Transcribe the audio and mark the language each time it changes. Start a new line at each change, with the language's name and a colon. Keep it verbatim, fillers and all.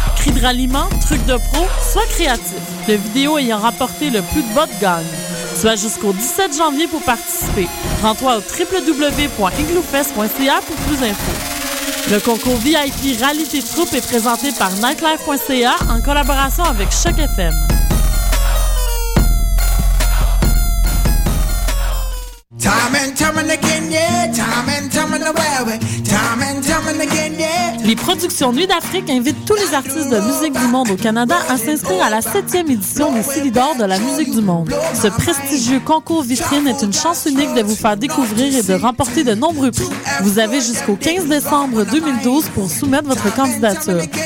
French: Cri de ralliement, truc de pro, sois créatif. Le vidéo ayant rapporté le plus de votes gagne. Sois jusqu'au dix-sept janvier pour participer. Rends-toi au www point iglufest point C A pour plus d'infos. Le concours V I P Ralité Troupe est présenté par Nightlife point C A en collaboration avec Choc F M.
English: Time and time and again, yeah. Time and time and where we- Time and time and again, yeah.
French: Les productions Nuit d'Afrique invitent tous les artistes de musique du monde au Canada à s'inscrire à la septième édition des Silly Doors de la musique du monde. Ce prestigieux concours vitrine est une chance unique de vous faire découvrir et de remporter de nombreux prix. Vous avez jusqu'au quinze décembre deux mille douze pour soumettre votre candidature.